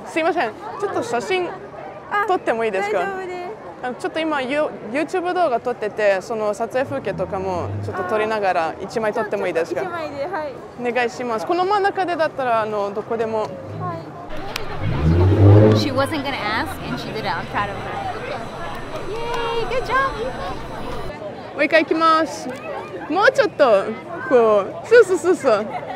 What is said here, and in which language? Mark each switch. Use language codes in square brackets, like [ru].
[ja] ちょっと写真撮ってもいいですか？大丈夫です。ちょっと今 YouTube 動画撮ってて、その撮影風景とかもちょっと撮りながら1枚撮ってもいいですか？ 1枚で、はい。お願いします。この真ん中でだったらどこでも。はい。 [en] She wasn't gonna ask and she did it. I'm proud of her. Yay! Good job! [ja] もう一回行きます。もうちょっと、こう、そう。